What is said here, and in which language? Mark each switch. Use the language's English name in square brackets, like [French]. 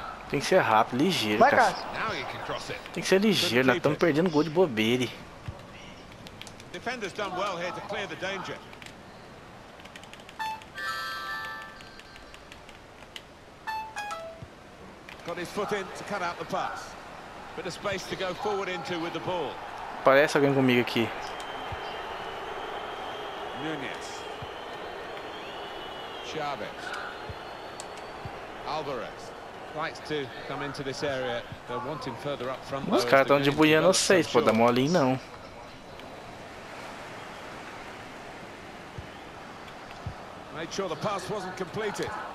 [Portuguese] Tem que ser rápido, ligeiro, cara. Tem que ser ligeiro, nós estamos perdendo gol de bobeira. [English] Defender's done well here to clear the danger. Got his foot in to cut out the pass. Bit of space to go forward into with the ball. [Portuguese] Parece alguém comigo aqui. Nunes. Chavez. Alvarez. [English] Likes to come into this area. They're wanting further up front. [Portuguese] Os caras estão debulhando vocês, pô, dá molinho não. [English] Make sure the pass wasn't completed.